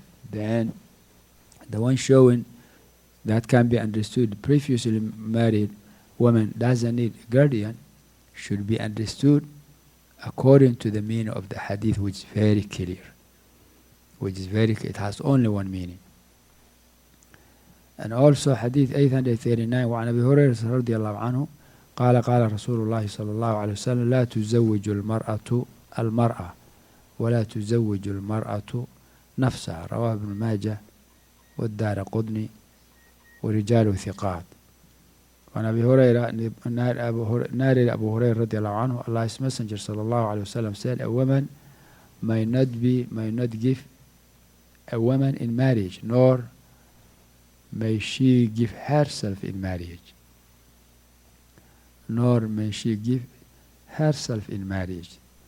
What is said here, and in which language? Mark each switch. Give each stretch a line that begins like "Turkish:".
English: Then the one showing that can be understood, the previously married woman doesn't need a guardian, should be understood according to the meaning of the hadith, which is very clear, it has only one meaning. And also hadith 839,
Arabic: وعن أبي هريرة رضي الله عنه قال قال رسول الله صلى الله عليه وسلم لا تزوج المرأة المرأة ولا تزوج المرأة نفسها. رواه ابن ماجه والدارقطني ورجال ثقات. وعن أبي هريرة نار أبو هريرة رضي الله عنه
English: الله's messenger
Arabic: صلى الله عليه وسلم
English: said a woman may not give a woman in marriage nor may she give herself in marriage nor may she give herself in marriage.